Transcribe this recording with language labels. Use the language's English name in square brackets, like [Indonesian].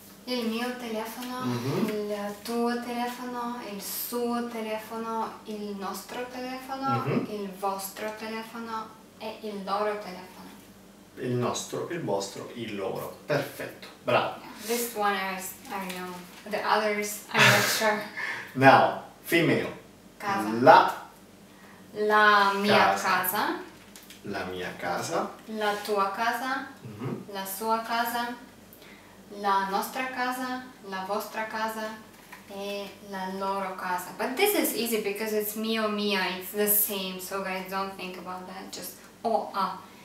[Italian] Il mio telefono, il tuo telefono, il suo telefono, il nostro telefono, il vostro telefono e il loro telefono. Il nostro, il vostro, il loro. Perfetto, bravo. [English] This one is, I know, the others, I'm not sure. Now, female. [Italian] Casa. La. La mia casa. La mia casa. La tua casa. La sua casa. La nostra casa, la vostra casa, e la loro casa. [English] But this is easy because it's mio, mia, it's the same, so guys, don't think about that, just oh.